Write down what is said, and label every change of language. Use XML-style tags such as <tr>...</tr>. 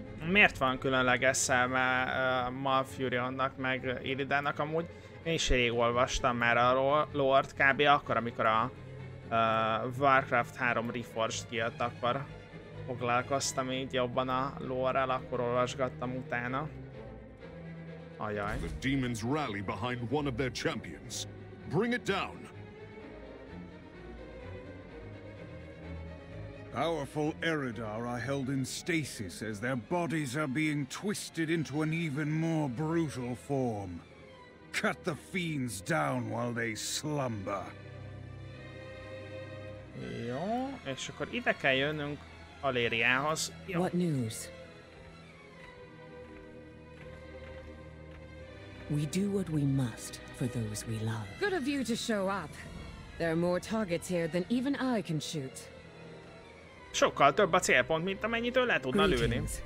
<hu>Miért van különleges szelme Malfurionnak meg Illidannak amúgy? Én is rég olvastam már a Lord kb. Akkor, amikor a Warcraft 3 Reforged kijött, akkor foglalkoztam így jobban a lore-el, akkor olvasgattam utána. Ajaj.</hu> <en>The demons rally behind one of their champions. Bring it down! Powerful Eridar are held in stasis as their bodies are being twisted into an even more brutal form. Cut the fiends down while they slumber.</en> <hu>Jó, és akkor ide kell jönnünk Aleriához.</hu> <en>What news? We do what we must for those we love. Good of you to show up. There are more targets here than even I can shoot.</en> <hu>Sokkal több a célpont, mint amennyit ő le tudna lőni.</hu>